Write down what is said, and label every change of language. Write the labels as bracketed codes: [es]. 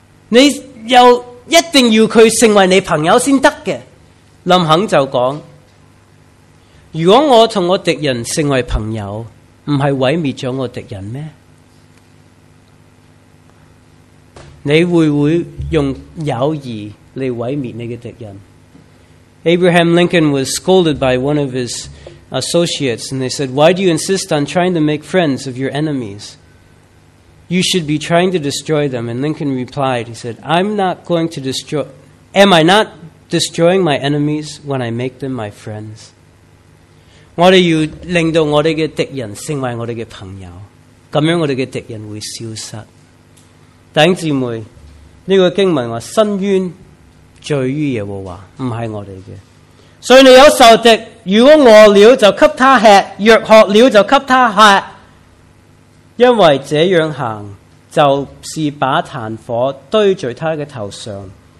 [zh] 你又一定要他成为你朋友才得的。林肯就说，如果我和我敌人成为朋友，不是毁灭了我敌人吗？你会不会用友谊来毁灭你的敌人？ [en] Abraham Lincoln was scolded by one of his associates, and they said, why do you insist on trying to make friends of your enemies? You should be trying to destroy them. And Lincoln replied, he said, am I not destroying my enemies when I make them my friends? [zh] 我们要令到我们的敌人成为我们的朋友，这样我们的敌人会消失。弟兄姊妹，这个经文说深渊罪于耶和华，不是我们的。所以你有仇敌，如果饿了就给他吃，若渴了就给他喝，因为这样行就是把炭火堆在他的头上。